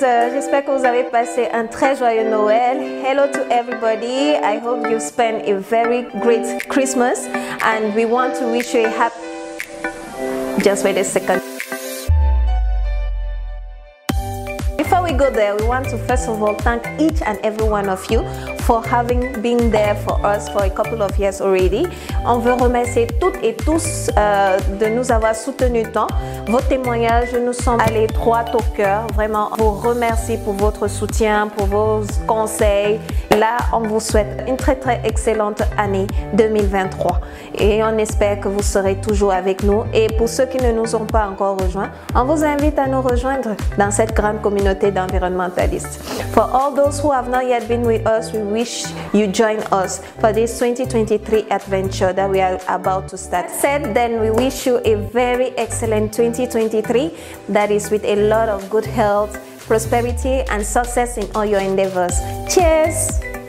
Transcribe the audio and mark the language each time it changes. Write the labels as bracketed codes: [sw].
[fr] J'espère que vous avez passé un très joyeux Noël. [en] Hello to everybody. I hope you spend a very great Christmas and we want to wish you a happy... Just wait a second. Before we go there, we want to first of all thank each and every one of you for having been there for us for a couple of years already. [fr] On veut remercier toutes et tous de nous avoir soutenu tant. Vos témoignages nous sont allés droit au cœur. Vraiment, on vous remercie pour votre soutien, pour vos conseils. Là, on vous souhaite une très très excellente année 2023. Et on espère que vous serez toujours avec nous. Et pour ceux qui ne nous ont pas encore rejoints, on vous invite à nous rejoindre dans cette grande communauté d'environnementalistes. [en] For all those who have not yet been with us, we wish you join us for this 2023 adventure that we are about to start. That said, then we wish you a very excellent 2023 that is with a lot of good health, prosperity, and success in all your endeavors. Cheers!